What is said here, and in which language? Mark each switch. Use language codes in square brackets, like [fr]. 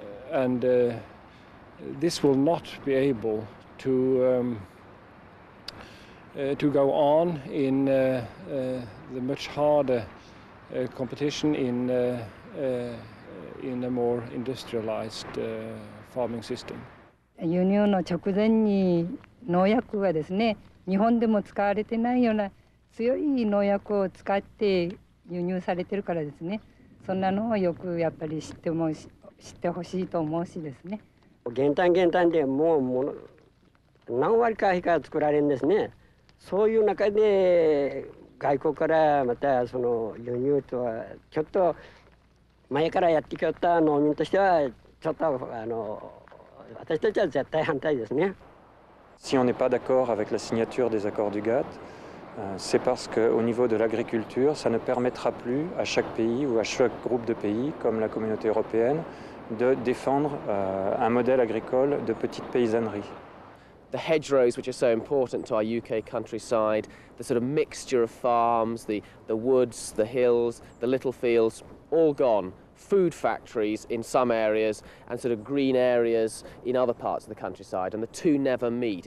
[en] And this will not be able to go on in the much harder competition in a more industrialized farming system. [ja] 輸入の直前に農薬がですね、日本でも使われてないような強い農薬を使って輸入されてるからですね、そんなのをよくやっぱり知ってほしいと思うしですね。減反でもうもの何割か以下作られるんですね。そういう中で外国からまたその輸入とはちょっと前からやってきよった農民としてはちょっと私たちは絶対反対ですね。 [fr] Si on n'est pas d'accord avec la signature des accords du GATT, c'est parce qu'au niveau de l'agriculture, ça ne permettra plus à chaque pays ou à chaque groupe de pays, comme la communauté européenne, de défendre un modèle agricole de petite paysannerie. [en] The hedgerows, which are so important to our UK countryside, the sort of mixture of farms, the woods, the hills, the little fields, all gone. Food factories in some areas and sort of green areas in other parts of the countryside, and the two never meet.